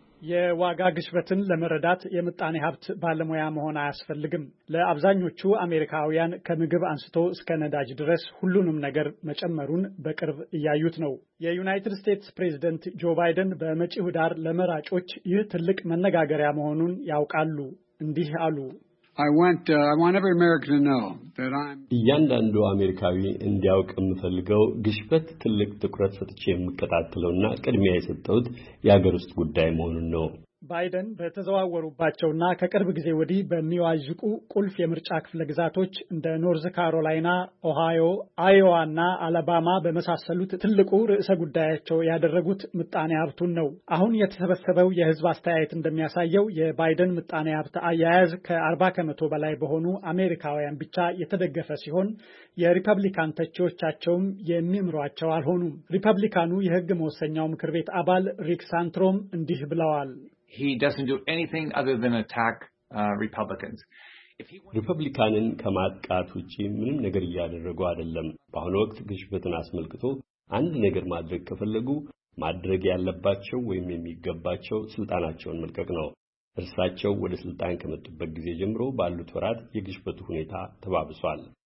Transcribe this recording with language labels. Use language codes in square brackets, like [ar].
[am] የዋጋ ግሽበትን ለመረዳት የምጣኔ ሀብት ባለሙያ መሆን አያስፈልግም። ለአብዛኞቹ አሜሪካውያን ከምግብ አንስቶ እስከ ነዳጅ ድረስ ሁሉንም ነገር መጨመሩን በቅርብ እያዩት ነው። የዩናይትድ ስቴትስ ፕሬዝደንት ጆ ባይደን በመጪው ዳር ለመራጮች ይህ ትልቅ መነጋገሪያ መሆኑን ያውቃሉ። እንዲህ አሉ። [en] I want every American to know that I'm [am] እያንዳንዱ አሜሪካዊ እንዲያውቅ የምፈልገው ግሽበት ትልቅ ትኩረት ሰጥቼ የምከታተለውና ቅድሚያ የሰጠሁት የሀገር ውስጥ ጉዳይ መሆኑን ነው። ባይደን በተዘዋወሩባቸውና ከቅርብ ጊዜ ወዲህ በሚዋዥቁ ቁልፍ የምርጫ ክፍለ ግዛቶች እንደ ኖርዝ ካሮላይና፣ ኦሃዮ፣ አዮዋና አላባማ በመሳሰሉት ትልቁ ርዕሰ ጉዳያቸው ያደረጉት ምጣኔ ሀብቱን ነው። አሁን የተሰበሰበው የህዝብ አስተያየት እንደሚያሳየው የባይደን ምጣኔ ሀብት አያያዝ ከ40% በላይ በሆኑ አሜሪካውያን ብቻ የተደገፈ ሲሆን የሪፐብሊካን ተቺዎቻቸውም የሚምሯቸው አልሆኑም። ሪፐብሊካኑ የህግ መወሰኛው ምክር ቤት አባል ሪክ ሳንትሮም እንዲህ ብለዋል። [en] He doesn't do anything other than attack Republicans. [am] ሪፐብሊካንን ከማጥቃት ውጪ ምንም ነገር ያደረጉ አይደለም። በአሁኑ ወቅት ግሽበትን አስመልክቶ አንድ ነገር ማድረግ ከፈለጉ ማድረግ ያለባቸው ወይም የሚገባቸው ስልጣናቸውን መልቀቅ ነው። እርሳቸው ወደ ስልጣን ከመጡበት ጊዜ ጀምሮ ባሉት ወራት የግሽበቱ ሁኔታ ተባብሷል።